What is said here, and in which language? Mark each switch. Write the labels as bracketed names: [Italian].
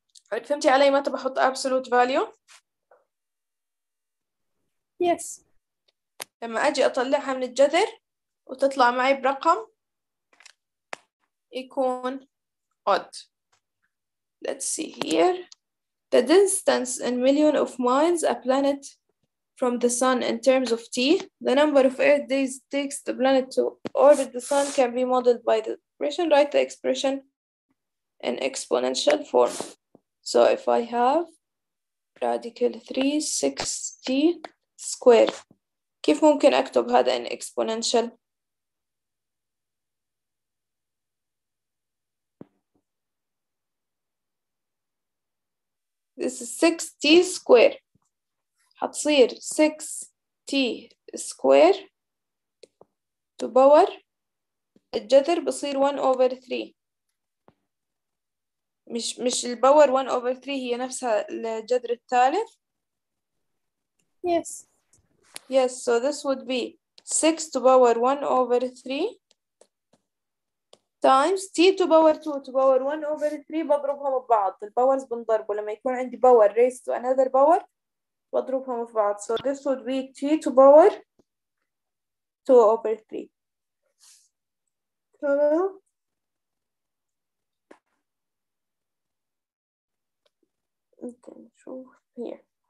[Arabic] فهمتي علي متى بحط absolute value؟ [English] Yes. [Arabic] لما أجي أطلعها من الجذر وتطلع معي برقم يكون odd. [English] Let's see here. The distance in million of miles a planet from the sun in terms of t. The number of Earth days takes the planet to orbit the sun can be modeled by the expression. Write the expression in exponential form. So if I have radical 360 square, [Arabic] كيف ممكن أكتب هذا [English] in exponential? This is 6t square. حتصير 6t square to power [Arabic] الجذر بصير [English] 1 over 3. [Arabic] مش الباور 1 over 3 هي نفسها الجذر الثالث؟ [English] Yes. Yes, so this would be 6 to power 1 over 3 times t to power 2 to power 1 over 3 [Arabic] بضربهم ببعض. الباورز بنضربه لما يكون عندي باور [English] raised to another power [Arabic] بضربهم ببعض. [English] So this would be t to power 2 over 3. [Arabic] ممكن نشوف هنا.